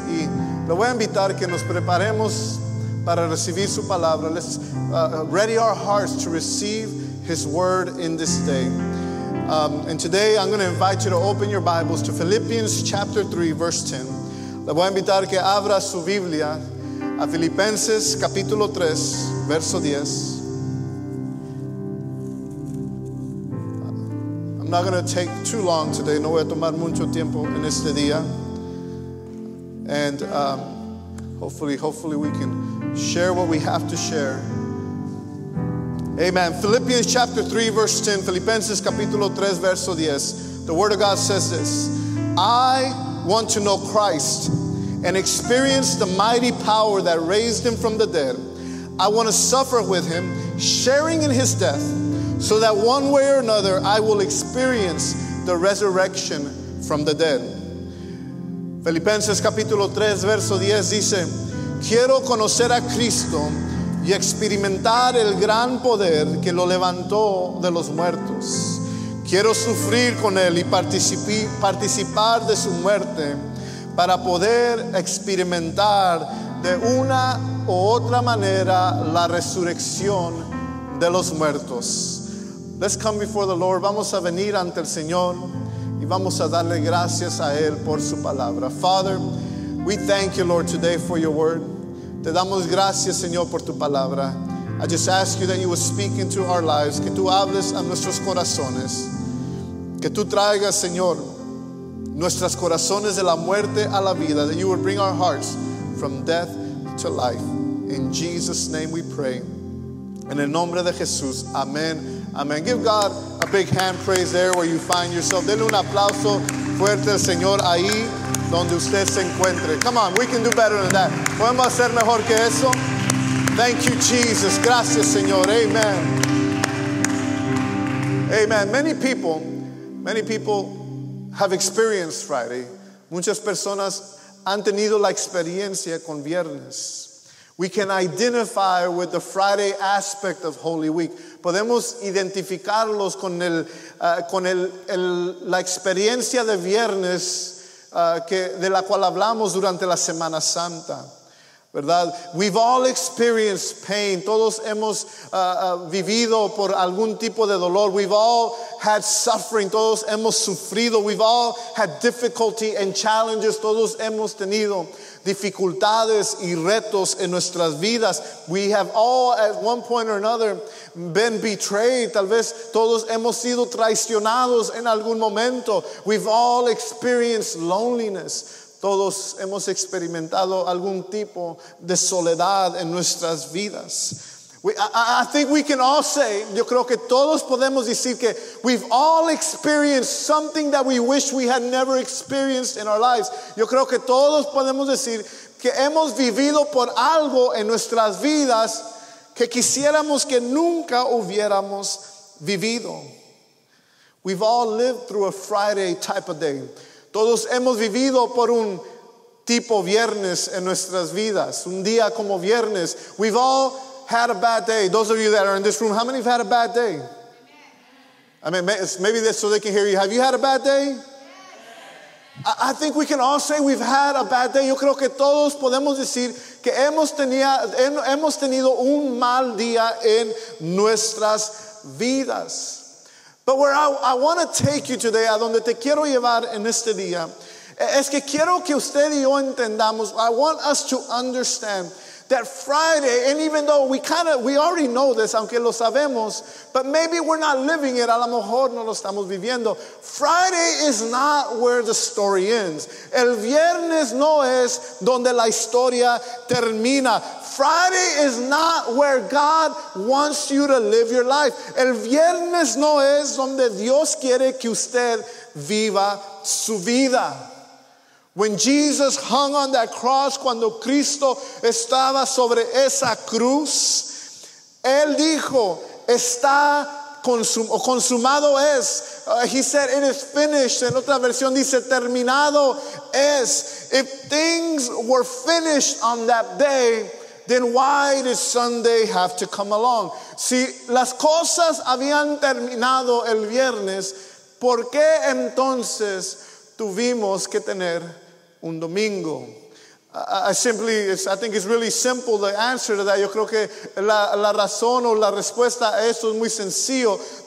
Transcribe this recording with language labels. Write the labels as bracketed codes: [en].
[es] Y lo voy a invitar que nos preparemos para recibir su palabra. [en] Let's ready our hearts to receive his word in this day. And today I'm going to invite you to open your Bibles to Philippians chapter 3, verse 10. [es] Le voy a invitar que abra su Biblia a Filipenses capítulo 3, verso 10. [en] I'm not going to take too long today. [es] No voy a tomar mucho tiempo en este día. [en] And hopefully we can share what we have to share. Amen. Philippians chapter 3, verse 10. [es] Filipenses capítulo 3, verso 10. [en] The word of God says this: I want to know Christ and experience the mighty power that raised him from the dead. I want to suffer with him, sharing in his death, so that one way or another, I will experience the resurrection from the dead. [es] Filipenses capítulo 3, verso 10 dice, quiero conocer a Cristo y experimentar el gran poder que lo levantó de los muertos. Quiero sufrir con él y participar de su muerte, para poder experimentar de una u otra manera la resurrección de los muertos. [en] Let's come before the Lord. [es] Vamos a venir ante el Señor y vamos a darle gracias a Él por su palabra. [en] Father, we thank you, Lord, today for your word. [es] Te damos gracias, Señor, por tu palabra. [en] I just ask you that you would speak into our lives, [es] que tú hables a nuestros corazones, que tú traigas, Señor, nuestros corazones de la muerte a la vida, [en] that you will bring our hearts from death to life. In Jesus' name we pray. [es] En el nombre de Jesús. [en] Amen. Amen. Give God a big hand praise there where you find yourself. [es] Denle un aplauso fuerte al Señor ahí donde usted se encuentre. [en] Come on, we can do better than that. [es] ¿Podemos hacer mejor que eso? [en] Thank you, Jesus. [es] Gracias, Señor. Amen. [en] Amen. Many people have experienced Friday. [es] Muchas personas han tenido la experiencia con viernes. [en] We can identify with the Friday aspect of Holy Week. [es] Podemos identificarlos con la experiencia de viernes de la cual hablamos durante la Semana Santa, ¿verdad? [en] We've all experienced pain. [es] Todos hemos vivido por algún tipo de dolor. [en] We've all had suffering. [es] Todos hemos sufrido. [en] We've all had difficulty and challenges. [es] Todos hemos tenido dificultades y retos en nuestras vidas. [en] We have all at one point or another been betrayed. [es] Tal vez todos hemos sido traicionados en algún momento. [en] We've all experienced loneliness. [es] Todos hemos experimentado algún tipo de soledad en nuestras vidas. [en] I think we can all say, [es] yo creo que todos podemos decir que [en] we've all experienced something that we wish we had never experienced in our lives. [es] Yo creo que todos podemos decir que hemos vivido por algo en nuestras vidas que quisiéramos que nunca hubiéramos vivido. [en] We've all lived through a Friday type of day. [es] Todos hemos vivido por un tipo viernes en nuestras vidas, un día como viernes. [en] We've all had a bad day. Those of you that are in this room, how many have had a bad day? Amen. I mean, maybe this so they can hear you. Have you had a bad day? Yes. I think we can all say we've had a bad day. [es] Yo creo que todos podemos decir que hemos tenido un mal día en nuestras vidas. [en] But where I want to take you today, [es] a donde te quiero llevar en este día, es que quiero que usted y yo entendamos, [en] I want us to understand that Friday, and even though we already know this, [es] aunque lo sabemos, [en] but maybe we're not living it, [es] a lo mejor no lo estamos viviendo. [en] Friday is not where the story ends. [es] El viernes no es donde la historia termina. [en] Friday is not where God wants you to live your life. [es] El viernes no es donde Dios quiere que usted viva su vida. [en] When Jesus hung on that cross, [es] cuando Cristo estaba sobre esa cruz, Él dijo, está consumado es. [en] He said, it is finished. [es] En otra versión dice, terminado es. [en] If things were finished on that day, then why did Sunday have to come along? [es] Si las cosas habían terminado el viernes, ¿por qué entonces tuvimos que tener un domingo? [en] I think it's really simple, the answer to that. [es] Yo creo que la razón o la respuesta a eso es muy sencillo.